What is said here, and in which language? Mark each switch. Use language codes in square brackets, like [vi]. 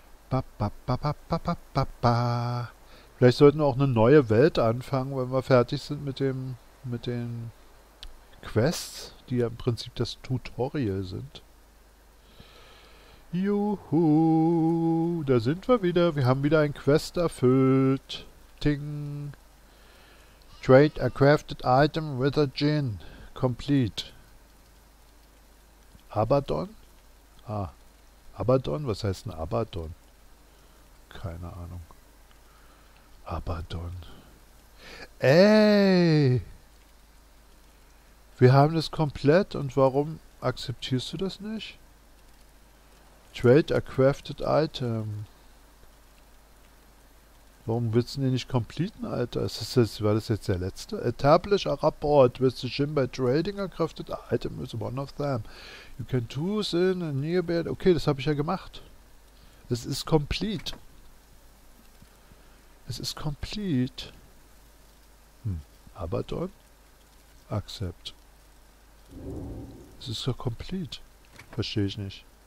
[de] Ba, ba, ba, ba, ba, ba, ba. Vielleicht sollten wir auch eine neue Welt anfangen, wenn wir fertig sind mit den Quests, die ja im Prinzip das Tutorial sind. Juhu, da sind wir wieder. Wir haben wieder ein Quest erfüllt. Ting. [en] Trade a crafted item with a djinn. Complete. [de] Abaddon? Ah, Abaddon? Was heißt denn Abaddon? Keine Ahnung. Abaddon. Ey! Wir haben das komplett und warum akzeptierst du das nicht? [en] Trade a crafted item. [de] Warum willst du den nicht completen, Alter? War das jetzt der letzte? [en] Establish a rapport with the djinn by trading a crafted item is one of them. You can choose in a nearby. [de] Okay, das habe ich ja gemacht. Es ist complete. Es ist complete. Abaddon? Accept. Es ist doch complete. Verstehe ich nicht.